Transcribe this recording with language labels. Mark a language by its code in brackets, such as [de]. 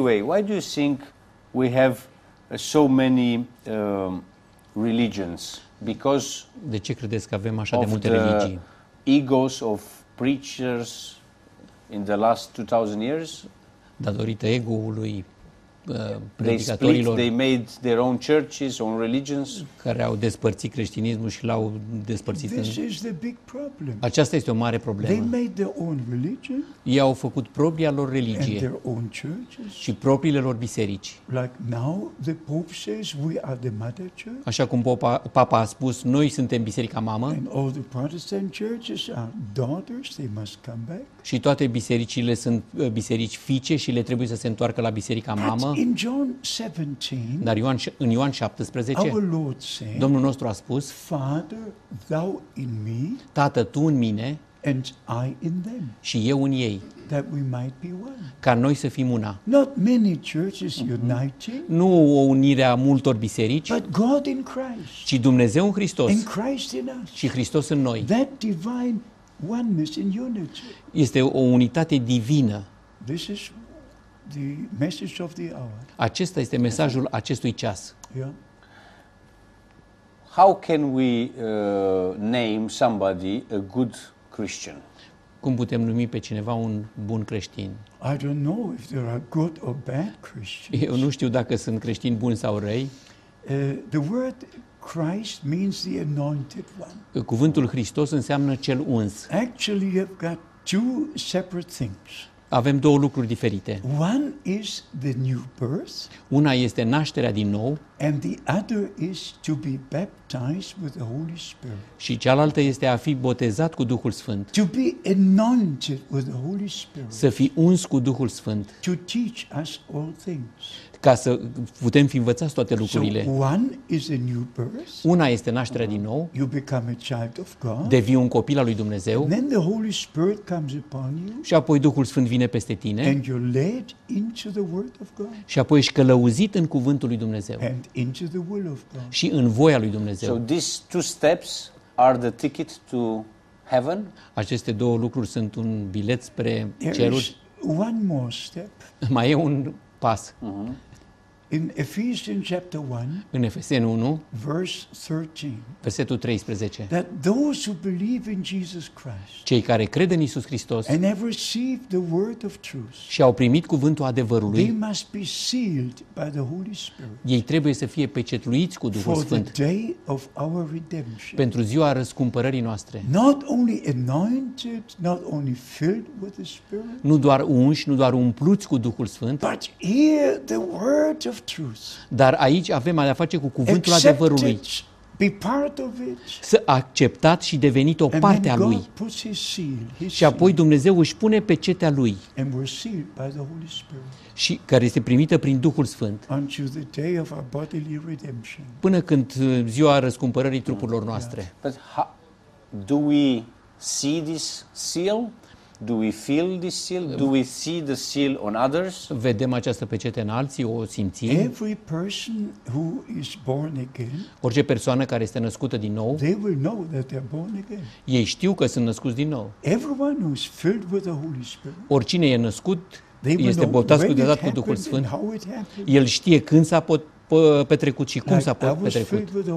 [en] Why do you think we have so many religions? Because [ro] de ce credeți că avem așa de multe religii? [en] Egos of preachers in the last 2000 years. [ro] Datorită ego-ului predicatorilor. [en] They made their own churches, own religions. [ro] Care au despărțit creștinismul și l-au despărțit. [en] This is the big problem. [ro] Aceasta este o mare problemă. [en] They made their own religion. [ro] Ei au făcut propria lor religie. [en] And their own churches. [ro] Și propriile lor biserici. [en] Like now the Pope says we are the mother church. [ro] Așa cum Papa a spus, noi suntem biserica mamă. [en] And all the Protestant churches are daughters, they must come back. [ro] Și toate bisericile sunt biserici fiice și le trebuie să se întoarcă la biserica mamă. [en] In John 17, [ro] dar în Ioan 17, [en] our Lord said, [ro] Domnul nostru a spus, [en] Father, thou in me, [ro] Tată, tu în mine [en] and I in them, [ro] și eu în ei, [en] that we might be one. [ro] Ca noi să fim una. [en] Not many churches uniting, [ro] nu o unire a multor biserici, [en] but God in Christ, [ro] ci Dumnezeu în Hristos [en] and Christ in us, [ro] și Hristos în noi. [en] That divine oneness in unity. [ro] Este o unitate divină. [en] This is the message of the hour. [ro] Acesta este mesajul acestui ceas. [en] How can we name somebody a good Christian? [ro] cum putem numi pe cineva un bun creștin? [en] I don't know if there are good or bad Christians. [ro] Eu nu știu dacă sunt creștini buni sau răi. [en] The word Christ means the anointed one. [ro] Cuvântul Hristos înseamnă cel uns. [en] Actually, you've got two separate things. [ro] Avem două lucruri diferite. [en] One is the new birth. [ro] Una este nașterea din nou. [en] And the other is to be baptized with the Holy Spirit. [ro] Și cealaltă este a fi botezat cu Duhul Sfânt. [en] To be anointed with the Holy Spirit. [ro] Să fii uns cu Duhul Sfânt. [en] To teach us all things. [ro] Ca să putem fi învățați toate lucrurile. [en] So one is a new birth. [ro] Una este nașterea din nou. [en] You become a child of God. [ro] Devii un copil al lui Dumnezeu. [en] And then the Holy Spirit comes upon you. [ro] Și apoi Duhul Sfânt vine peste tine. [en] And you're led into the word of God. [ro] Și apoi ești călăuzit în cuvântul lui Dumnezeu. [en] And into the will of God. [ro] Și în voia lui Dumnezeu. [en] So these two steps are the ticket to heaven. [ro] Aceste două lucruri sunt un bilet spre ceruri. [en] One more step. [ro] Mai e un pas. Mm-hmm. [en] In Ephesians chapter 1. [ro] În Efeseni 1. [en] Verse 13. [ro] Versetul 13. [en] That those who believe in Jesus Christ. [ro] Cei care cred în Iisus Hristos. [en] And have received the word of truth. [ro] Și au primit cuvântul adevărului. [en] They must be sealed by the Holy Spirit. [ro] Ei trebuie să fie pecetluiți cu Duhul Sfânt. [en] For the day of our redemption. [ro] Pentru ziua răscumpărării noastre. [en] Not only anointed, not only filled with the Spirit. [ro] Nu doar unși, nu doar umpluți cu Duhul Sfânt. [en] But hear the word of truth. [ro] Dar aici avem a face cu cuvântul adevărului. [en] Be part of it. [ro] Să acceptat și devenit o parte a lui. Și apoi Dumnezeu își pune pecetea lui. [en] And we're sealed by the Holy Spirit. [ro] Și care este primită prin Duhul Sfânt. [en] Until the day of our bodily redemption. [ro] Până când ziua răscumpărării trupurilor noastre. [en] But do we see this seal? Do we feel this seal? Do we see the seal on others? [ro] Vedem această pecete în alții, o simțim? [en] Every person who is born again. [ro] Orice persoană care este născută din nou. [en] They will know that they are born again. [ro] Ei știu că sunt născuți din nou. [en] Everyone who is filled with the Holy Spirit. [ro] Oricine e născut este botezat cu dezat cu Duhul Sfânt. El știe când s-a petrecut și cum s-a petrecut.